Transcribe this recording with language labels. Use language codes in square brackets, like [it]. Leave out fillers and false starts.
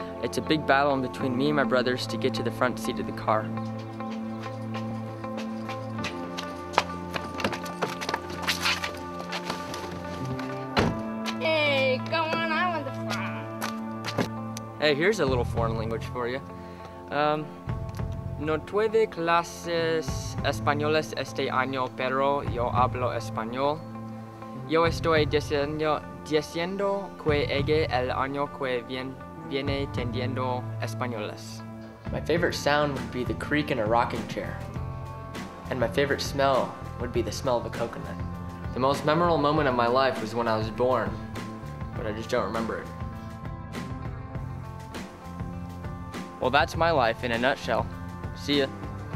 [en] It's a big battle in between me and my brothers to get to the front seat of the car. Hey, come on, I want the front. Hey, here's a little foreign language for you. [es] No tuve clases españolas este año, pero yo hablo español. Yo estoy diciendo que llegue el año que viene entendiendo españolas. [en] My favorite sound would be the creak in a rocking chair. And my favorite smell would be the smell of a coconut. The most memorable moment of my life was when I was born, but I just don't remember it. Well, that's my life in a nutshell. See ya.